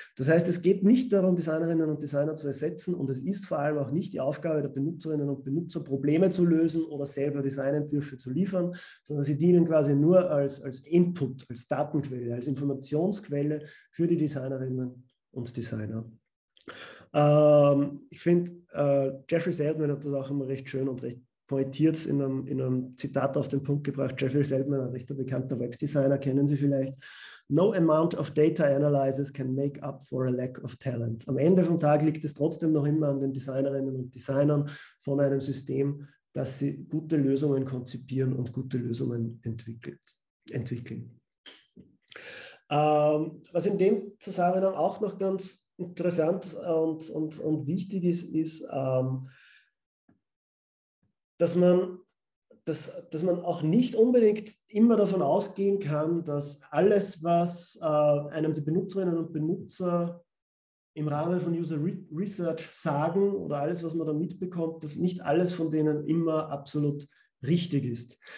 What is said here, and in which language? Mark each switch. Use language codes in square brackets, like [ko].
[de] Das heißt, es geht nicht darum, Designerinnen und Designer zu ersetzen und es ist vor allem auch nicht die Aufgabe der Benutzerinnen und Benutzer, Probleme zu lösen oder selber Designentwürfe zu liefern, sondern sie dienen quasi nur als Input, als Datenquelle, als Informationsquelle für die Designerinnen und Designer. Ich finde, Jeffrey Seldman hat das auch immer recht schön und recht pointiert in einem Zitat auf den Punkt gebracht. Jeffrey Seldman, ein recht bekannter Webdesigner, kennen Sie vielleicht. [en] No amount of data analysis can make up for a lack of talent. [de] Am Ende vom Tag liegt es trotzdem noch immer an den Designerinnen und Designern von einem System, dass sie gute Lösungen konzipieren und gute Lösungen entwickeln. Was in dem Zusammenhang auch noch ganz interessant und wichtig ist, dass man auch nicht unbedingt immer davon ausgehen kann, dass alles, was einem die Benutzerinnen und Benutzer im Rahmen von User Research sagen oder alles, was man da mitbekommt, dass nicht alles von denen immer absolut richtig ist.